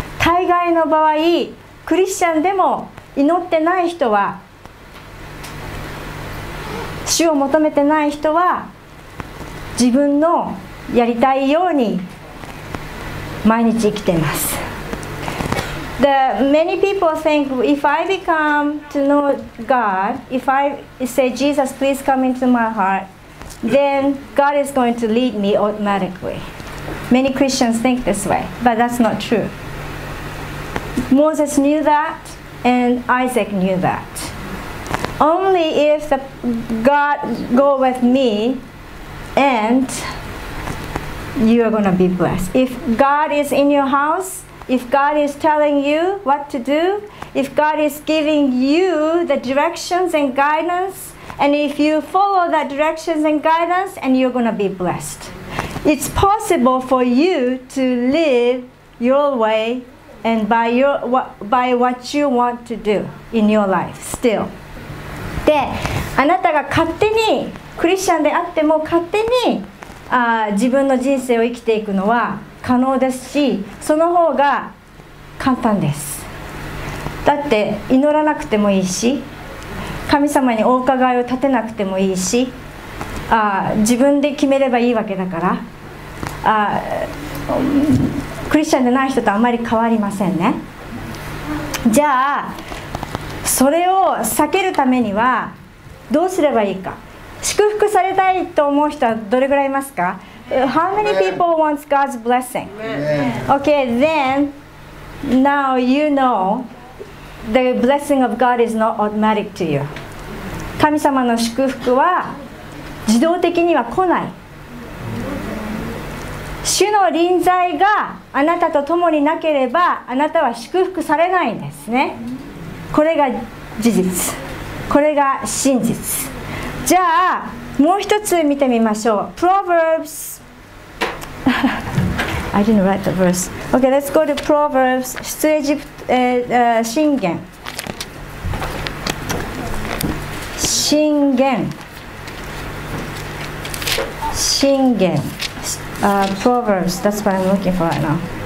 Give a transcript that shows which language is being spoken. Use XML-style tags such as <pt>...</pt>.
<ja>大概の場合、クリスチャンでも祈ってない人は、主を求めてない人は自分のやりたいように毎日生きています。</ja> <en>The many people think, if I become to know God, if I say Jesus please come into my heartThen God is going to lead me automatically. Many Christians think this way, but that's not true. Moses knew that, and Isaac knew that. Only if the God go with me, and you are going to be blessed. If God is in your house, if God is telling you what to do, if God is giving you the directions and guidanceAnd if you follow that directions and guidance, and you're going to be blessed. It's possible for you to live your way and by what you want to do in your life still.</en> <ja>で、あなたが勝手にクリスチャンであっても勝手に自分の人生を生きていくのは可能ですし、その方が簡単です。だって祈らなくてもいいし、神様にお伺いを立てなくてもいいし、自分で決めればいいわけだから、クリスチャンでない人とあまり変わりませんね。じゃあそれを避けるためにはどうすればいいか。祝福されたいと思う人はどれぐらいいますか。</ja> <en>How many people wants God's blessing? Okay, then now you know the blessing of God is not automatic to you.</en> <ja>神様の祝福は自動的には来ない。主の臨在があなたと共になければあなたは祝福されないんですね。これが事実、これが真実。じゃあもう一つ見てみましょう。</ja> <en>Proverbs I didn't write the verse. Okay, let's go to Proverbs</en> <ja>出エジプト、神言、神言、神言、</ja> <en>Proverbs, that's what I'm looking for right now.</en>